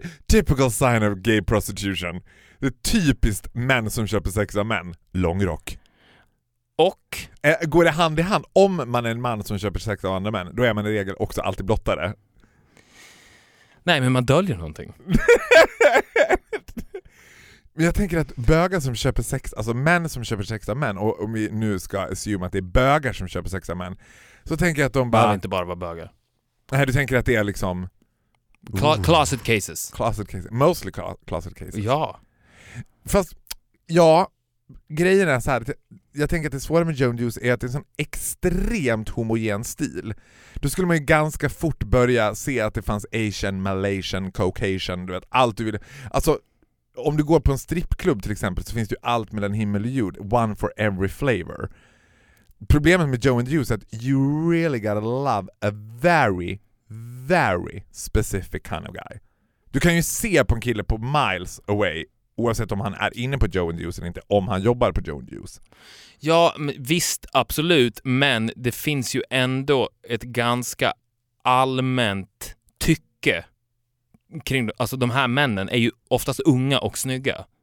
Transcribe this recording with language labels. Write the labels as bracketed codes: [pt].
[en] Typical sign of gay prostitution. [sv] Det är typiskt män som köper sex av män. Lång rock. Och? Går det hand i hand? Om man är en man som köper sex av andra män, då är man i regel också alltid blottare. Nej, men man döljer någonting. Men jag tänker att bögar som köper sex, alltså män som köper sex av män, och om vi nu ska assume att det är bögar som köper sex av män, så tänker jag att de bara... Det är inte bara vara bögar. Nej, du tänker att det är liksom... [en] Closet cases. Closet cases. Mostly closet cases. [sv] Ja. Fast, ja, grejen är så här. Jag tänker att det svåra med Joe and the Juice är att det är en sån extremt homogen stil. Då skulle man ju ganska fort börja se att det fanns Asian, Malaysian, Caucasian, du vet, allt du vill. Alltså, om du går på en strippklubb till exempel, så finns det ju allt mellan himmel och jord. [en] One for every flavor. [sv] Problemet med Joe and the Juice är att [en] you really gotta love a very, very specific kind of guy. [sv] Du kan ju se på en kille på [en] miles away, [sv] oavsett om han är inne på Joe & Juice eller inte, om han jobbar på Joe & Juice. Ja, visst, absolut. Men det finns ju ändå ett ganska allmänt tycke kring, alltså de här männen är ju oftast unga och snygga.